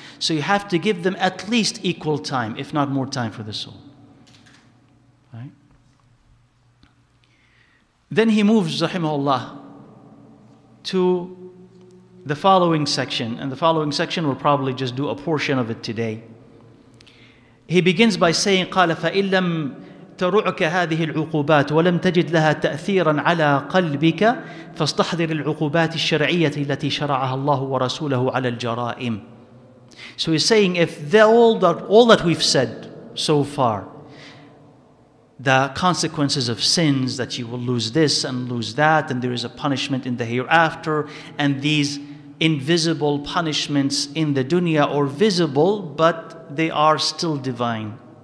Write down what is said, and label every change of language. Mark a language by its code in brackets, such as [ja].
[en] So you have to give them at least equal time, if not more time for the soul. Right? Then he moves, rahimahullah, to the following section. And the following section, we'll probably just do a portion of it today. He begins by saying, [ar] قَالَ فَإِنْ لَمْ تَرُعُكَ هَذِهِ الْعُقُوبَاتِ وَلَمْ تَجِدْ لَهَا تَأْثِيرًا عَلَى قَلْبِكَ فَاسْتَحْذِرِ الْعُقُوبَاتِ الشَّرْعِيَةِ الَّتِي شَرَعَهَا اللَّهُ وَرَسُولَهُ عَلَى الْجَرَائِمِ. [en] So he's saying, if all that we've said so far, the consequences of sins, that you will lose this and lose that, and there is a punishment in the hereafter, and these invisible punishments in the dunya are visible, but they are still divine.